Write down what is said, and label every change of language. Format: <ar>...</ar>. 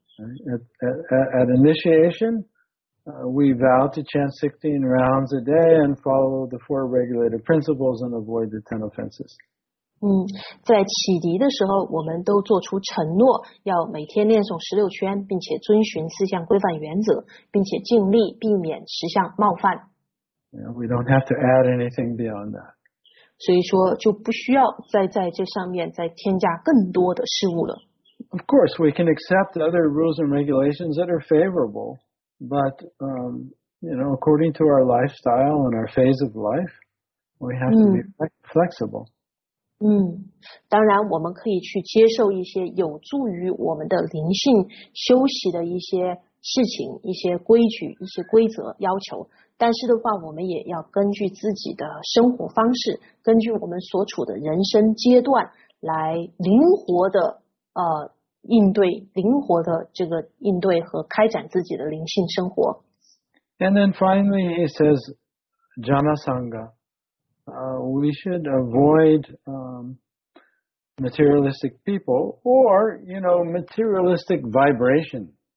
<en>At initiation, we vow to chant 16 rounds a day and follow the four regulated principles and avoid the 10 offenses.</en> <zh>在启迪的时候，我们都做出承诺，要每天念诵16圈，并且遵循四项规范原则，并且尽力避免十项冒犯。</zh> <en>We don't have to add anything beyond that.</en> <zh>所以说就不需要再在这上面再添加更多的事物了。</zh> <en>Of course, we can accept other rules and regulations that are favorable, but according to our lifestyle and our phase of life, we have to be flexible.</en> <zh>当然我们可以去接受一些有助于我们的灵性休息的一些事情、一些规矩、一些规则要求，但是的话我们也要根据自己的生活方式，根据我们所处的人生阶段来灵活的应对，灵活的这个应对和开展自己的灵性生活。</zh> <en>And then finally he says Janasangha, we should avoid materialistic people or materialistic vibration.</en>